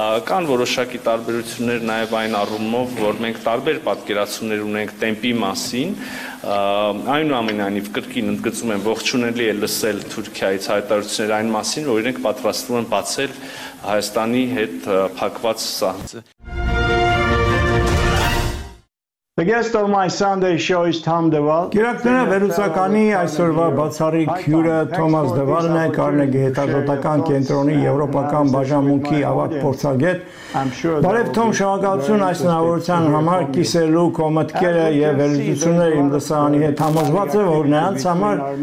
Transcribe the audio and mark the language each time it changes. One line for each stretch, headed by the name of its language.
Armenian: Կան որոշակի տարբերություններ նաև այն առումով, որ մենք տարբեր պատկերացումներ ունենք տեմպի մասին։ Այնուամենայնիվ կրկին ընդգծում եմ, ողջունելի է լսել Թուրքիայից հայտարարություններ այն մասին, որ իրենք պատրաստվում են բացել Հայաստանի հետ փակված սահմանը։
English: The guest of my Sunday show is Tom Deval.
Armenian: Գիրակները վերուսականի այսօրվա բացառիկ հյուրը Թոմաս Դեվալն է, Կարնեգի հետազոտական կենտրոնի եվրոպական բաժանմունքի ավագ փորձագետ։ Բարև Թոմ, շնորհակալություն այս հնարավորության համար կիսելու քո մտքերը եւ վերլուծությունները իմ լսարանի հետ։ Համոզված եմ, որ նրանց համար